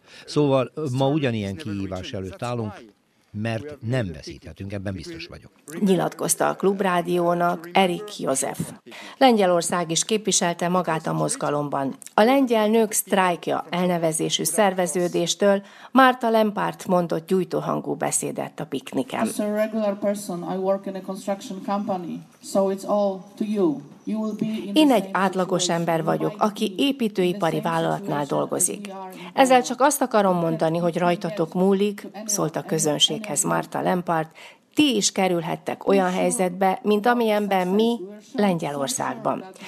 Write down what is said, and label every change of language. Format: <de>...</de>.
<hu>Szóval ma ugyanilyen kihívás előtt állunk, mert nem veszíthetünk, ebben biztos vagyok. Nyilatkozta a Klubrádiónak Erik József. Lengyelország is képviselte magát a mozgalomban. A lengyel nők sztrájkja elnevezésű szerveződéstől Márta Lempárt mondott gyújtóhangú beszédet a pikniken.</hu> <en>As a regular person, I work in a construction company, so it's all to you.</en> <hu>Én egy átlagos ember vagyok, aki építőipari vállalatnál dolgozik. Ezzel csak azt akarom mondani, hogy rajtatok múlik, szólt a közönséghez Márta Lempárt, ti is kerülhettek olyan helyzetbe, mint amilyenben mi Lengyelországban.</hu>